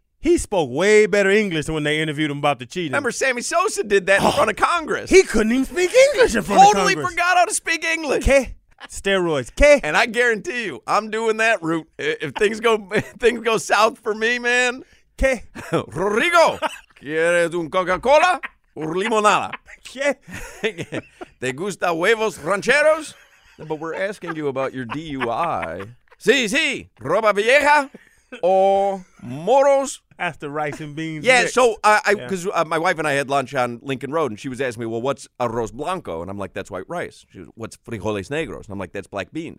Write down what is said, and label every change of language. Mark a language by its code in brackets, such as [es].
[en] He spoke way better English than when they interviewed him about the cheating. Remember, Sammy Sosa did that in front of Congress. He couldn't even speak English in front of Congress. Totally forgot how to speak English. Okay. Steroids. Okay. And I guarantee you, I'm doing that route. If things go south for me, man. Okay. [es] Rodrigo, ¿quieres un Coca-Cola o limonada? [en] Okay. [es] ¿Te gusta huevos rancheros? [en] But we're asking you about your DUI. [es] Sí, sí. Roba vieja. Or moros. [en] After rice and beans. Yeah, so my wife and I had lunch on Lincoln Road, and she was asking me, well, what's arroz blanco? And I'm like, that's white rice. She was, what's frijoles negros? And I'm like, that's black beans.